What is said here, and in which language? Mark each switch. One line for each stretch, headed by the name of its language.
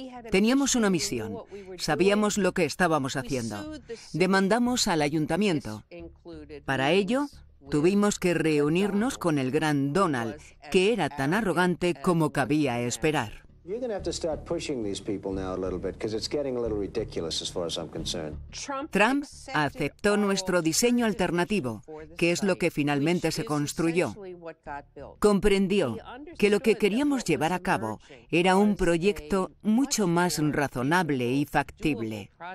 Spanish: Teníamos una misión. Sabíamos lo que estábamos haciendo. Demandamos al ayuntamiento. Para ello, tuvimos que reunirnos con el gran Donald, que era tan arrogante como cabía esperar.
English: You're going to have to start pushing these people now a little bit because it's getting a little ridiculous as far as I'm concerned.
Spanish: Trump aceptó nuestro diseño alternativo, que es lo que finalmente se construyó. Comprendió que lo que queríamos llevar a cabo era un proyecto mucho más razonable y factible.